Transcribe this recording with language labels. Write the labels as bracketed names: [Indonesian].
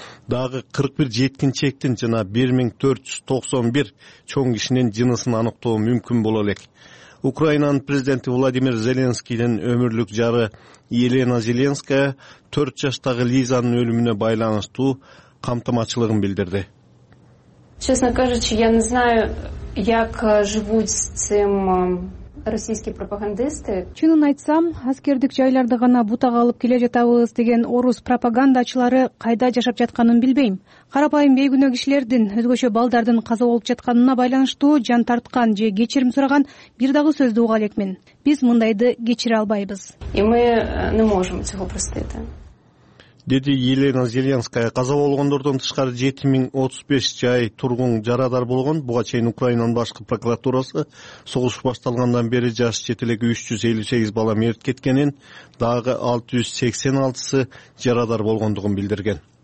[Kyrgyz] Дагы 41 жеткинчектин жана 1491 чоң кишинин жынысын аныктоо мүмкүн боло элек. Украинанын президенти Владимир Зеленскийдин өмүрлүк жары Елена Зеленская 4 жаштагы Лизанын өлүмүнө байланыштуу камтамачылыгын билдирди. [Russian] Честно кажучи, я не знаю, як живут с цим российские пропагандисты. [Kyrgyz] Чынын айтсам, аскердик жайларды гана бутага алып келе жатабыз деген орус пропагандачылары кайда жашап жатканын билбейм. Карапайым бейгүнө кишилердин, өзгөчө балдардын каза болуп жатканына байланыштуу жан тарткан же кечирим сураган бир дагы сөздү уга элекмин. Биз мындайды кечире албайбыз. [Russian] И мы не можем этого простить. [Kyrgyz] Деди Елена Зеленская. Каза болгондордон тышкары 7035 жай тургун жарадар болгон. Буга чейин Украинанын башкы прокуратурасы согуш башталгандан бери жашы чет элек 358 бала мерт кеткенин, дагы 686 жарадар болгондугун билдирген.